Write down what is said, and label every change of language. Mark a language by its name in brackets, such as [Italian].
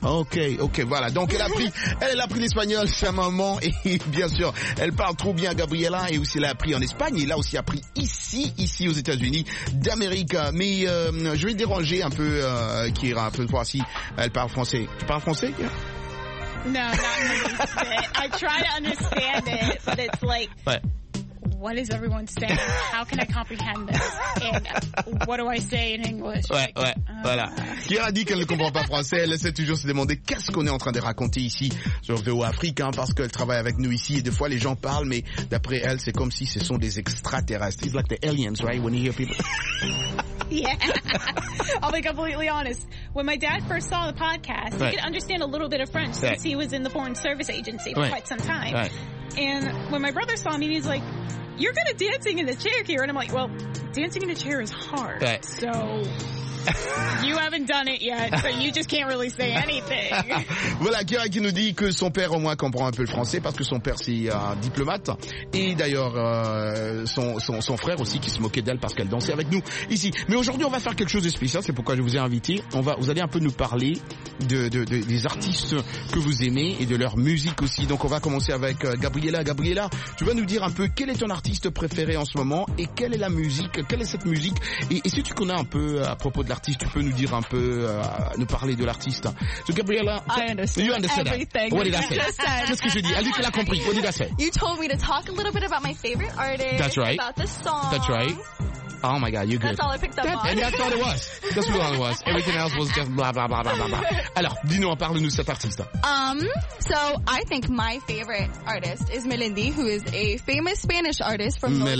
[French] Ok, voilà. Donc elle a pris l'espagnol, sa maman, et bien sûr, elle parle trop bien, Gabriella, et aussi elle a appris en Espagne, et là aussi elle a appris ici aux États-Unis d'Amérique. Mais je vais déranger un peu, Kira, pour voir si elle parle français. Tu parles français, Kira? [English] No, not really. I try to understand it, but it's like, what is everyone saying? How can I comprehend this? And what do I say in English? [French] Voilà. Kira dit qu'elle ne comprend pas français. Elle essaie toujours de se demander qu'est-ce qu'on est en train de raconter ici sur VO Afrique, hein, parce qu'elle travaille avec nous ici et des fois les gens parlent, mais d'après elle, c'est comme si ce sont des extraterrestres. [English] It's like the aliens, right? When you hear people. Yeah. I'll be completely honest. When my dad first saw the podcast, he could understand a little bit of French since he was in the Foreign Service Agency for quite some time. And when my brother saw me, he's like, "You're good at dancing in the chair here." And I'm like, "Well, dancing in a chair is hard." So. You haven't done it yet, but you just can't really say anything. [French] Voilà, Kira qui nous dit que son père au moins comprend un peu le français parce que son père c'est un diplomate. Et d'ailleurs, son frère aussi qui se moquait d'elle parce qu'elle dansait avec nous ici. Mais aujourd'hui, on va faire quelque chose de spécial, c'est pourquoi je vous ai invité. Vous allez un peu nous parler des artistes que vous aimez et de leur musique aussi. Donc on va commencer avec Gabriela. Gabriela, tu vas nous dire un peu quel est ton artiste préféré en ce moment et quelle est la musique, quelle est cette musique. Et si tu connais un peu à propos de l'artiste, tu peux nous dire un peu, nous parler de l'artiste. [English] So Gabriela, you understand everything. What did I say? [French] Qu'est-ce que je dis? Elle dit qu'elle a compris. [English] What did I say? You told me to talk a little bit about my favorite artist. That's right. About the song. That's right. Oh my God, you're good. That's all I picked up on. And that's all it was. That's what all it was. Everything else was just blah, blah, blah, blah, blah, blah. [French] Alors, dis-nous, parle-nous cet artiste. [English] So I think my favorite artist is Melendi, who is a famous Spanish artist from Northern